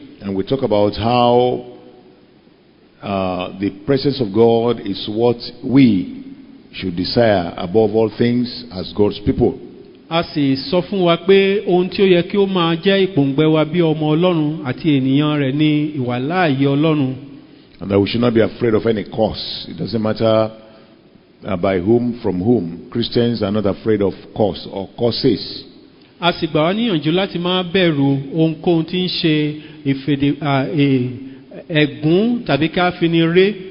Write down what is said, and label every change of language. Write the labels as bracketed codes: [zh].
[en] And we talk about how the presence of God is what we should desire above all things as God's people. [yo] A sì sọ fún wa pé ohun tí ó yẹ kí ó máa jẹ́ ìpòǹgbẹ wa bí ọmọ Ọlọ́run àti ènìyàn rẹ̀ ni ìwàláàyè Ọlọ́run. [en] And that we should not be afraid of any curse. It doesn't matter by whom, from whom. Christians are not afraid of curse or curses. [yo] A sì gbà wá níyànjú láti máa bẹ̀rù ohunkóhun tí ń ṣe ẹ̀gún tàbí ká fini ré